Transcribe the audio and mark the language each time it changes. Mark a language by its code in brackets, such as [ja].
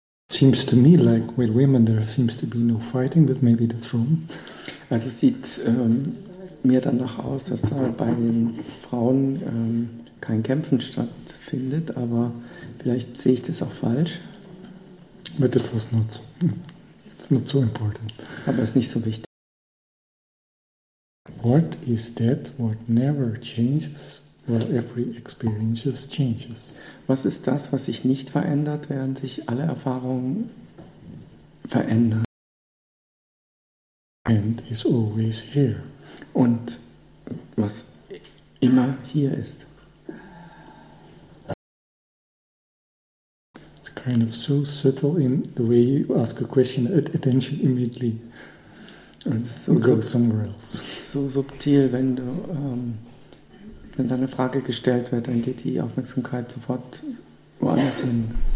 [en] Seems to me like with women there seems to be no fighting, but maybe that's wrong. [de] Also es sieht mir danach aus, dass da bei den Frauen kein Kämpfen stattfindet, aber vielleicht sehe ich das auch falsch. [en] But it was not so. It's not so important. [de] Aber es ist nicht so wichtig. [en] What is that what never changes while every experience changes? [de] Was ist das, was sich nicht verändert, während sich alle Erfahrungen verändern? [en] And is always here. [de] Und was immer hier ist. [en] It's kind of so subtle in the way you ask a question, attention immediately goes somewhere else. [de] So subtil, wenn du wenn deine Frage gestellt wird, dann geht die Aufmerksamkeit sofort woanders hin.